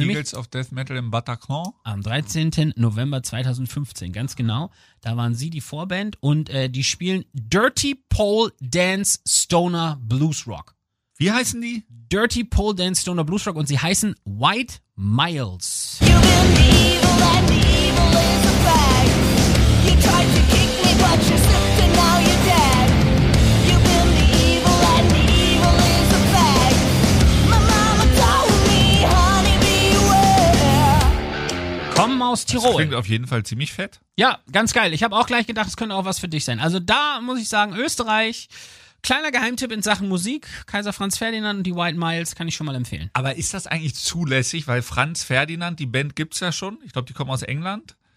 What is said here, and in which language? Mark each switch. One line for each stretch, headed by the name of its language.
German: Eagles nämlich of Death Metal im Bataclan. Am 13. November 2015, ganz genau. Da waren sie die Vorband und die spielen Dirty Pole Dance Stoner Blues Rock. Wie heißen die? Dirty Pole Dance Stoner Blues Rock und sie heißen White Miles.
English: You believe that evil is a fact. You tried to kick me, but you slipped and now you're dead. You believe that evil is a fact. My mama told me, honey, beware.
German: Kommen aus Tirol. Das klingt auf jeden Fall ziemlich fett. Ja, ganz geil. Ich habe auch gleich gedacht, es könnte auch was für dich sein. Also da muss ich sagen, Österreich, kleiner Geheimtipp in Sachen Musik. Kaiser Franz Ferdinand und die White Miles kann ich schon mal empfehlen. Aber ist das eigentlich zulässig, weil Franz Ferdinand, die Band gibt's ja schon. Ich glaube, die kommen aus England.